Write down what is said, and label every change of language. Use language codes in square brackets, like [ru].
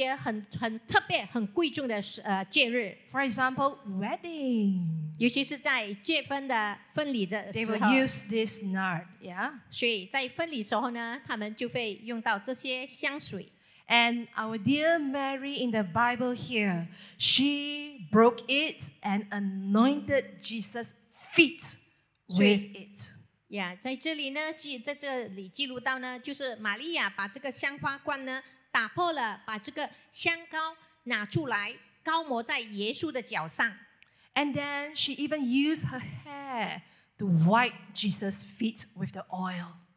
[zh] 就是因为这香膏是那么的贵重呢，所以往往人是用它来处理一些很特别、很贵重的节日。 [en] For example, wedding. [zh] 尤其是在结婚的婚礼的时候 [en] ，they will use this nard, yeah. [zh] 所以在婚礼时候呢，他们就会用到这些香水。 [en] And our dear Mary in the Bible here, she broke it and anointed Jesus' feet with it. [zh] Yeah, 在这里呢，记录到呢，就是玛利亚把这个香花罐呢打破了，把这个香膏拿出来膏抹在耶稣的脚上。 [en] And then she even used her hair to wipe Jesus' feet with the oil.